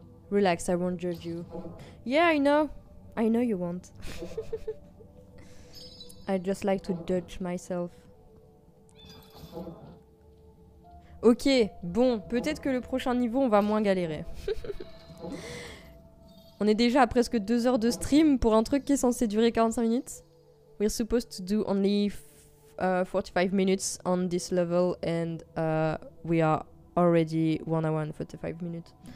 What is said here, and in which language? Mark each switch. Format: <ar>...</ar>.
<en>Relax, I won't judge you. Yeah, I know you won't. I just like to judge myself.</en> <fr>Ok, bon, peut-être que le prochain niveau, on va moins galérer. On est déjà à presque 2 heures de stream pour un truc qui est censé durer 45 minutes.</fr> <en>We're supposed to do only 45 minutes on this level and we are already 1 hour and 45 minutes.</en>